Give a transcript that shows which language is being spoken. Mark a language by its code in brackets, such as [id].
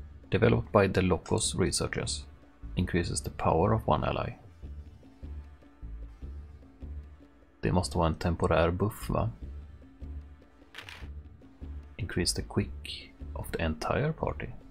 [en] Developed by the Locos researchers. Increases the power of one ally. [sv] Det måste vara en temporär buff, va? [en] Increase the quick of the entire party.